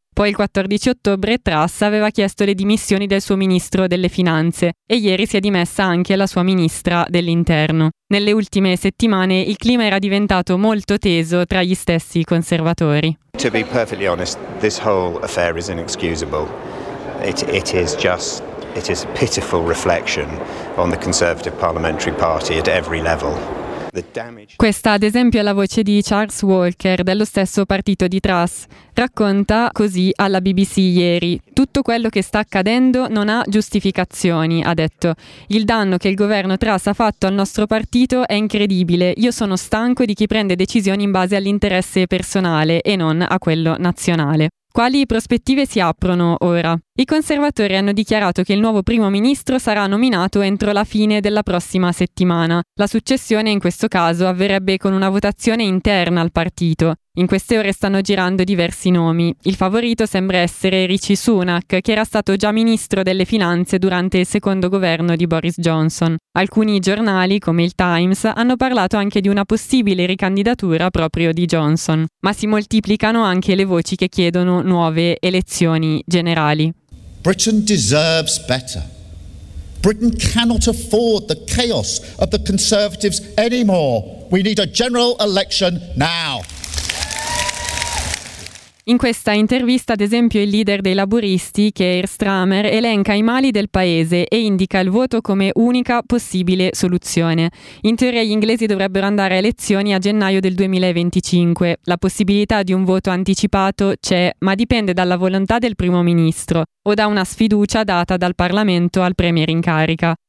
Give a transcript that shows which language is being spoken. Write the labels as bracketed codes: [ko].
[it] Poi il 14 ottobre Truss aveva chiesto le dimissioni del suo ministro delle finanze e ieri si è dimessa anche la sua ministra dell'interno. Nelle ultime settimane il clima era diventato molto teso tra gli stessi conservatori. [en] To be perfectly honest, this whole affair is inexcusable. It is a pitiful reflection on the Conservative Parliamentary Party at every level. [it] Questa, ad esempio, è la voce di Charles Walker, dello stesso partito di Truss. Racconta così alla BBC ieri. Tutto quello che sta accadendo non ha giustificazioni, ha detto. Il danno che il governo Truss ha fatto al nostro partito è incredibile. Io sono stanco di chi prende decisioni in base all'interesse personale e non a quello nazionale. Quali prospettive si aprono ora? I conservatori hanno dichiarato che il nuovo primo ministro sarà nominato entro la fine della prossima settimana. La successione in questo caso avverrebbe con una votazione interna al partito. In queste ore stanno girando diversi nomi. Il favorito sembra essere Rishi Sunak, che era stato già ministro delle finanze durante il secondo governo di Boris Johnson. Alcuni giornali, come il Times, hanno parlato anche di una possibile ricandidatura proprio di Johnson. Ma si moltiplicano anche le voci che chiedono nuove elezioni generali. [en] Britain deserves better. Britain cannot afford the chaos of the Conservatives anymore. We need a general election now. [it] In questa intervista, ad esempio, il leader dei laburisti, Keir Starmer, elenca i mali del paese e indica il voto come unica possibile soluzione. In teoria gli inglesi dovrebbero andare a elezioni a gennaio del 2025. La possibilità di un voto anticipato c'è, ma dipende dalla volontà del primo ministro o da una sfiducia data dal Parlamento al premier in carica.